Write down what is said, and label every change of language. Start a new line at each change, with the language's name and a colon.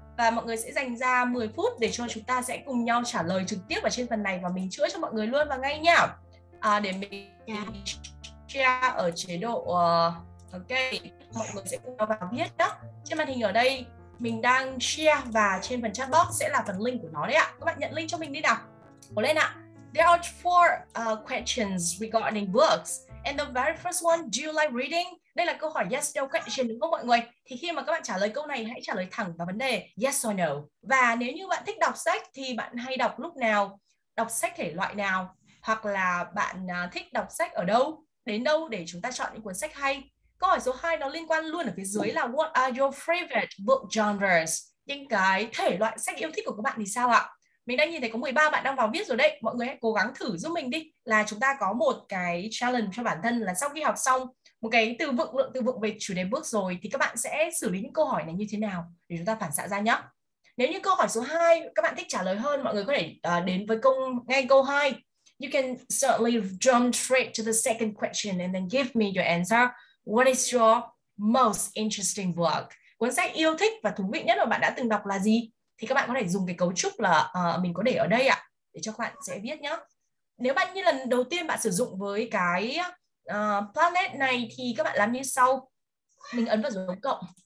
Vietnamese: Và mọi người sẽ dành ra 10 phút để cho chúng ta sẽ cùng nhau trả lời trực tiếp ở trên phần này và mình chữa cho mọi người luôn và ngay nhá. Để mình share ở chế độ ok, mọi người sẽ cùng vào viết nhé. Trên màn hình ở đây mình đang share và trên phần chat box sẽ là phần link của nó đấy ạ. Các bạn nhận link cho mình đi nào. Cố lên ạ.
English: There are 4 questions regarding books. And the very first one, do you like reading?
Vietnamese: Đây là câu hỏi
English: yes no question
Vietnamese: đúng không mọi người? Thì khi mà các bạn trả lời câu này, hãy trả lời thẳng vào vấn đề
English: yes or no.
Vietnamese: Và nếu như bạn thích đọc sách thì bạn hay đọc lúc nào? Đọc sách thể loại nào? Hoặc là bạn thích đọc sách ở đâu? Đến đâu để chúng ta chọn những cuốn sách hay? Câu hỏi số 2 nó liên quan luôn ở phía dưới là
English: what are your favorite book genres?
Vietnamese: Những cái thể loại sách yêu thích của các bạn thì sao ạ? Mình đã nhìn thấy có 13 bạn đang vào viết rồi đấy. Mọi người hãy cố gắng thử giúp mình đi. Là chúng ta có một cái challenge cho bản thân là sau khi học xong một cái từ vựng, lượng từ vựng về chủ đề book rồi thì các bạn sẽ xử lý những câu hỏi này như thế nào để chúng ta phản xạ ra nhé. Nếu như câu hỏi số 2 các bạn thích trả lời hơn, mọi người có thể đến với ngay câu 2.
English: You can certainly jump straight to the second question and then give me your answer. What is your most interesting book?
Vietnamese: Cuốn sách yêu thích và thú vị nhất mà bạn đã từng đọc là gì? Thì các bạn có thể dùng cái cấu trúc là mình có để ở đây ạ, để cho các bạn sẽ viết nhé. Nếu bạn như lần đầu tiên bạn sử dụng với cái Padlet này thì các bạn làm như sau. Mình ấn vào dấu cộng.